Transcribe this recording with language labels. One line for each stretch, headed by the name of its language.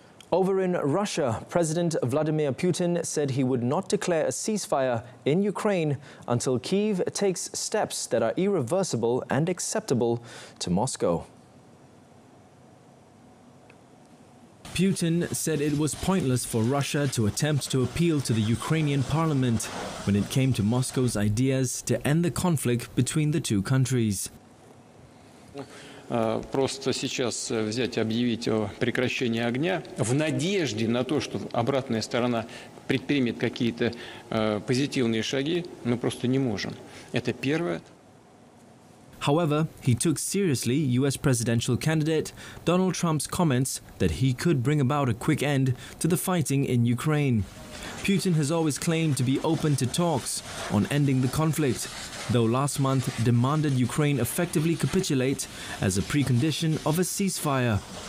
English: Over in Russia, President Vladimir Putin said he would not declare a ceasefire in Ukraine until Kyiv takes steps that are irreversible and acceptable to Moscow. Putin said it was pointless for Russia to attempt to appeal to the Ukrainian parliament when it came to Moscow's ideas to end the conflict between the two countries.
Russian: Просто сейчас взять объявить о прекращении огня в надежде на то, что обратная сторона предпримет какие-то позитивные шаги, мы просто не можем. Это первое.
English: However, he took seriously US presidential candidate Donald Trump's comments that he could bring about a quick end to the fighting in Ukraine. Putin has always claimed to be open to talks on ending the conflict, though last month demanded Ukraine effectively capitulate as a precondition of a ceasefire.